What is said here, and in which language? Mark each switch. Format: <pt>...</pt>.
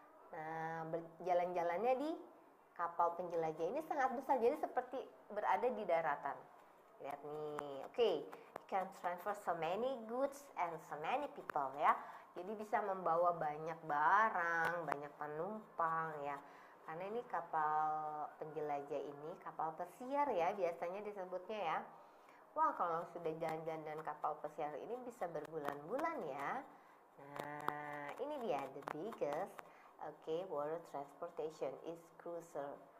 <id>Nah, berjalan-jalannya di kapal penjelajah ini sangat besar, jadi seperti berada di daratan. Lihat nih,</id> <en>oke, you can transfer so many goods and so many people ya.</en> <id>Jadi bisa membawa banyak barang, banyak penumpang ya. Karena ini kapal penjelajah ini, kapal pesiar ya biasanya disebutnya ya. Wah, kalau sudah jalan-jalan dan kapal pesiar ini bisa berbulan-bulan ya. Nah, ini dia,</id> <en>the biggest. Oke, water transportation is cruiser.</en>